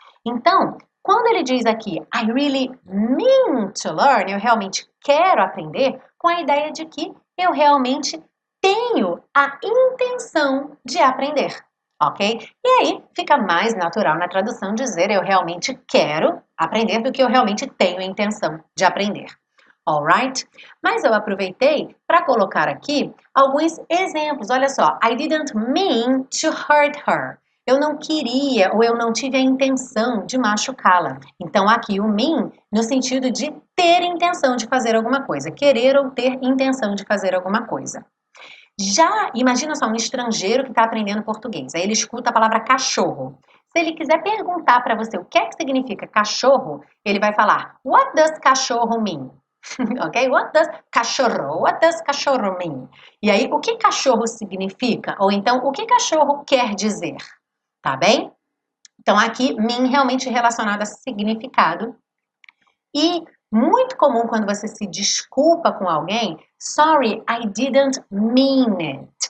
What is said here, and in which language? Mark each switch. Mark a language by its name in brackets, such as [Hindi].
[Portuguese] Então, quando ele diz aqui, [English] I really mean to learn, [Portuguese] eu realmente quero aprender, com a ideia de que eu realmente tenho a intenção de aprender, ok? E aí fica mais natural na tradução dizer eu realmente quero aprender do que eu realmente tenho a intenção de aprender. [English] All right? [Portuguese] Mas eu aproveitei para colocar aqui alguns exemplos. Olha só, [English] I didn't mean to hurt her. [Portuguese] Eu não queria ou eu não tive a intenção de machucá-la. Então aqui o mean no sentido de ter intenção de fazer alguma coisa, querer ou ter intenção de fazer alguma coisa. Já imagina só um estrangeiro que está aprendendo português. Aí ele escuta a palavra cachorro. Se ele quiser perguntar para você o que é que significa cachorro, ele vai falar [English] What does cachorro mean? Ok? What does cachorro mean? [Portuguese] E aí, o que cachorro significa? Ou então, o que cachorro quer dizer? Tá bem? Então, aqui, mean realmente relacionado a significado. E muito comum quando você se desculpa com alguém, [English] sorry, I didn't mean it.